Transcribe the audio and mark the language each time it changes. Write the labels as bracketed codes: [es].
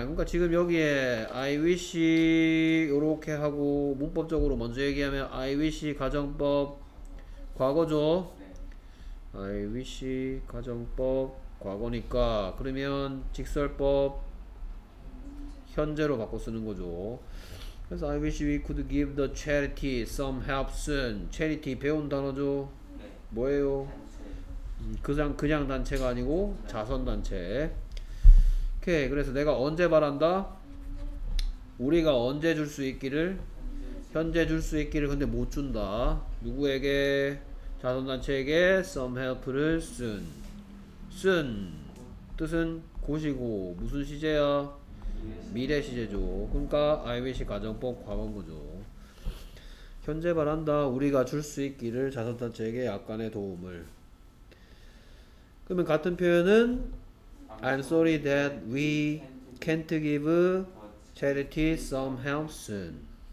[ko] 그러니까 지금 여기에 I wish 이렇게 하고 문법적으로 먼저 얘기하면 I wish 가정법 과거죠. I wish 가정법 과거니까 그러면 직설법 현재로 바꿔 쓰는 거죠. 그래서 [en] I wish we could give the charity some help soon. [ko] Charity 배운 단어죠. 네. 뭐예요? 그냥 단체가 아니고 자선 단체. 오케이. 그래서 내가 언제 바란다? 우리가 언제 줄 수 있기를? 현재 줄 수 있기를. 근데 못 준다. 누구에게? 자선 단체에게 some help를 soon. soon 뜻은 곧이고 무슨 시제야? 미래 시제죠. 그러니까 I wish 가정법 과거죠. 현재 바란다. 우리가 줄 수 있기를 자선단체에게 약간의 도움을. 그러면 같은 표현은 [en] I'm sorry that we can't give charity some help soon.